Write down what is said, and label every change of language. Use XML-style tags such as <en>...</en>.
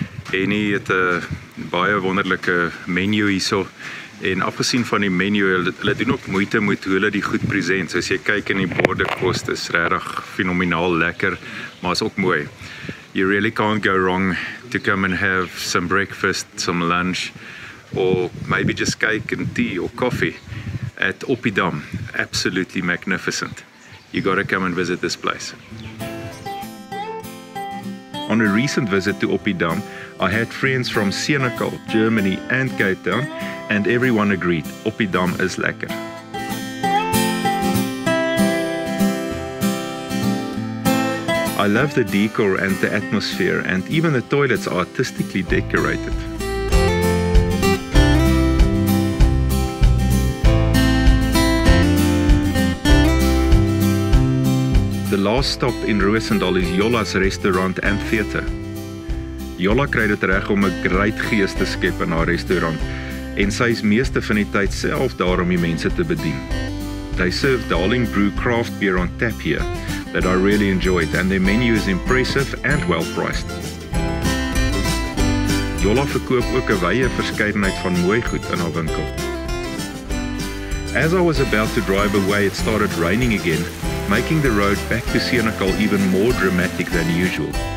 <af>Henie het 'n baie wonderlike menu hierso en afgesien van die menu, hulle doen ook moeite met hoe hulle die goed present. So as jy kyk in die borde kos, is regtig fenomenaal lekker, maar is ook mooi.</af> <en>You really can't go wrong to come and have some breakfast, some lunch or maybe just cake and tea or coffee at Oppidam. Absolutely magnificent. You gotta come and visit this place. On a recent visit to Oppidam, I had friends from Senegal, Germany and Cape Town, and everyone agreed, Oppidam is lekker. I love the decor and the atmosphere, and even the toilets are artistically decorated. The last stop in Roosendal is Jolla's restaurant and theatre.</en> <af>Jolla kry dit reg om 'n great gees te skep in haar restaurant en sy is meeste van die tyd self daar om die mense te bedien.</af> <en>They serve Darling Brew craft beer on tap here that I really enjoyed, and their menu is impressive and well-priced.</en> <af>Jolla verkoop ook 'n wye verskeidenheid van mooi goed in haar winkel.</af> <en>As I was about to drive away, it started raining again, making the road back to Senegal even more dramatic than usual.</en>